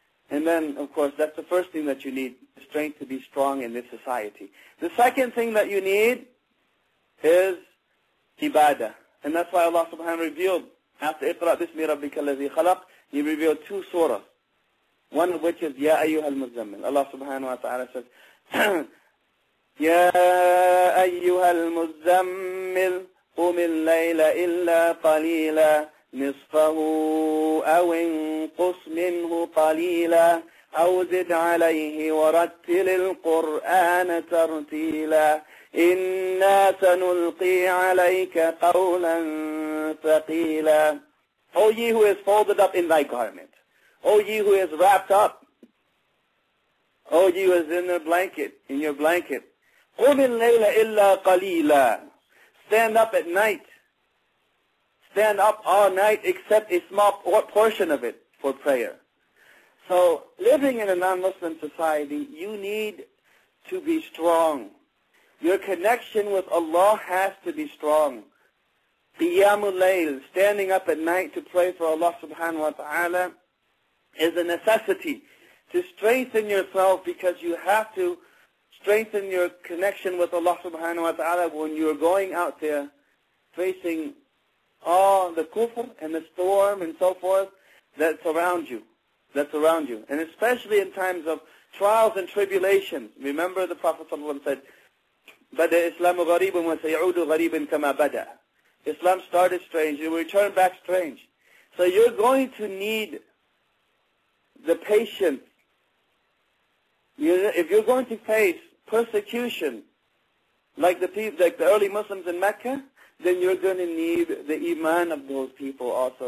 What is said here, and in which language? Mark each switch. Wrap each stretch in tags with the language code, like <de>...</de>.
<en>And then, of course, that's the first thing that you need, strength to be strong in this society. The second thing that you need is ibadah. And that's why Allah subhanahu wa ta'ala revealed, after</en> <ar>اِقْرَأْ بِسْمِ رَبِّكَ الَّذِي خَلَقْ,</ar> <en>He revealed two surahs, one of which is</en> <ar>يَا أَيُّهَا الْمُزَّمِّلِ.</ar> <en>Allah subhanahu wa ta'ala says,</en> <ar>يَا أَيُّهَا الْمُزَّمِّلِ قُمِ اللَّيْلَ إِلَّا قَلِيلًا نصفه أو انقص منه قليلا أو زد عليه ورتل القرآن ترتيلا إنا سنلقي عليك قولا ثقيلا.</ar> <en>O ye who is folded up in thy garment, O ye who is wrapped up, O ye who is in the blanket, in your blanket,</en> <ar>قم الليل إلا قليلا,</ar> <en>stand up at night. Stand up all night except a small portion of it for prayer. So living in a non-Muslim society, you need to be strong. Your connection with Allah has to be strong. Qiyamul layl, standing up at night to pray for Allah subhanahu wa ta'ala, is a necessity to strengthen yourself, because you have to strengthen your connection with Allah subhanahu wa ta'ala when you're going out there facing all the kufr and the storm and so forth that's around you. And especially in times of trials and tribulations. Remember the Prophet ﷺ said,</en> <ar>بَدَى إِسْلَامُ غَرِيبٌ وَسَيْعُودُ غَرِيبٌ كَمَا بَدَى.</ar> <en>Islam started strange, it will return back strange. So you're going to need the patience. If you're going to face persecution like the early Muslims in Mecca, then you're going to need the iman of those people also.</en>